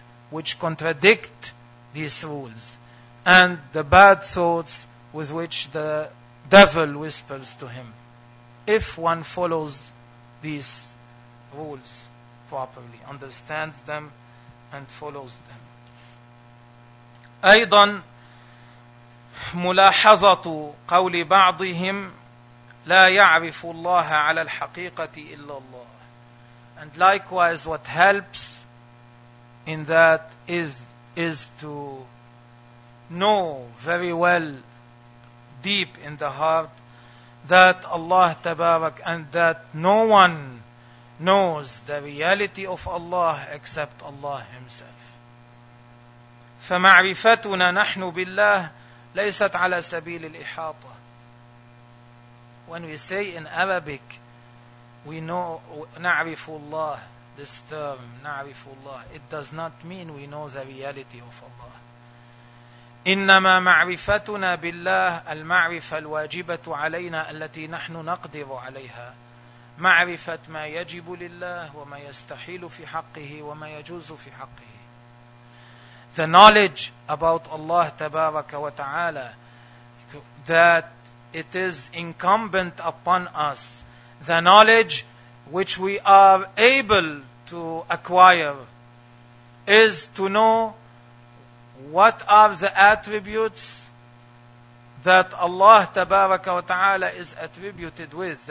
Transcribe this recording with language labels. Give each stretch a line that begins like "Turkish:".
English: which contradict these rules, and the bad thoughts with which the devil whispers to him, if one follows these rules properly, understands them, and follows them.
Arabic: أيضا ملاحظة قول بعضهم لا يعرف الله على الحقيقة إلا الله.
English: And likewise what helps in that is to know very well deep in the heart that Allah Tabarak and that no one knows the reality of Allah except Allah Himself.
Arabic: فمعرفتنا نحن بالله ليست على سبيل الإحاطة.
English: When we say in Arabic, we know,
Arabic: نعرف الله,
English: this term, نعرف الله, it does not mean we know the reality of Allah.
Arabic: إنما معرفتنا بالله المعرفة الواجبة علينا التي نحن نقدر عليها. معرفة ما يجب لله وما يستحيل في حقه وما يجوز في حقه.
English: The knowledge about Allah
Arabic: تبارك وتعالى
English: that it is incumbent upon us, the knowledge which we are able to acquire is to know what are the attributes that Allah تبارك وتعالى is attributed with.